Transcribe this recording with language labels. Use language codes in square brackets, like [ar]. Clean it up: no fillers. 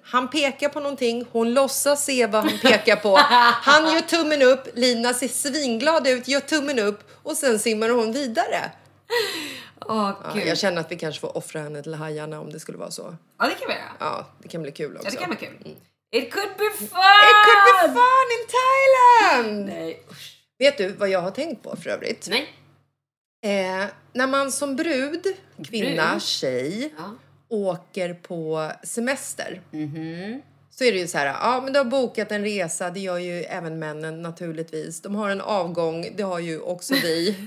[sv] Han pekar på någonting. Hon låtsas se vad han pekar på. Han gör tummen upp. Lina ser svinglad ut. Gör tummen upp. Och sen simmar hon vidare. Åh, gud. Ja, jag känner att vi kanske får offra henne till hajarna om det skulle vara så. Ja, det kan vi göra. Ja, det kan bli kul också. Ja, det kan bli kul. [en] It could be fun! It could be fun in Thailand! [sv] Nej, vet du vad jag har tänkt på för övrigt? Nej. När man som brud, kvinna, tjej, åker på semester. Mm-hmm. Så är det ju så här, ja men du har bokat en resa, det gör ju även männen naturligtvis. De har en avgång, det har ju också vi.